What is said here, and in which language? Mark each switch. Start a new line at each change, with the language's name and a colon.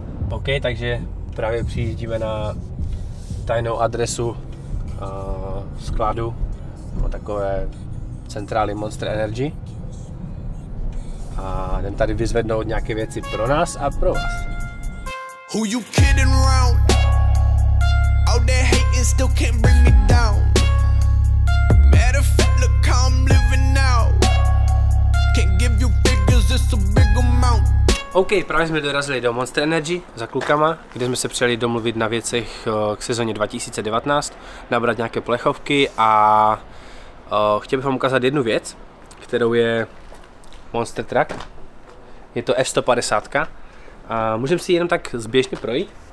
Czech: OK, takže právě přijíždíme na tajnou adresu skladu takové centrály Monster Energy. A jdem tady vyzvednout nějaké věci pro nás a pro vás.
English: Who you kidding around? All that hating still can't bring me down. Matter of fact, look how I'm living now. Can't give you figures, it's a big amount.
Czech: OK, právě jsme dorazili do Monster Energy za klukama, kde jsme se přijeli domluvit na věcech k sezóně 2019, nabrat nějaké plechovky a chtěl bych vám ukázat jednu věc, kterou je Monster Truck. Je to F-150. Můžeme si jenom tak zběžně projít.